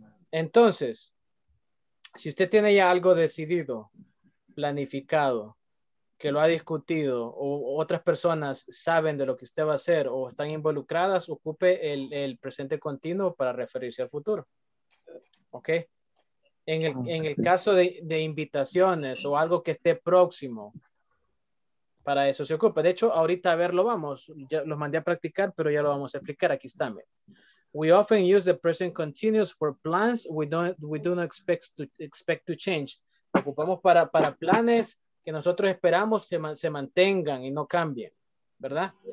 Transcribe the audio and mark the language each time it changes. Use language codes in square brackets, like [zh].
[es] Entonces, si usted tiene ya algo decidido, planificado, que lo ha discutido, o otras personas saben de lo que usted va a hacer o están involucradas, ocupe el presente continuo para referirse al futuro. ¿Ok? En el caso de invitaciones o algo que esté próximo, para eso se ocupa. De hecho, ahorita a ver, lo vamos, ya los mandé a practicar, pero ya lo vamos a explicar. Aquí está. [en] We often use the present continuous for plans we don't expect to change. [es] Ocupamos para planes que nosotros esperamos se mantengan y no cambien, ¿verdad?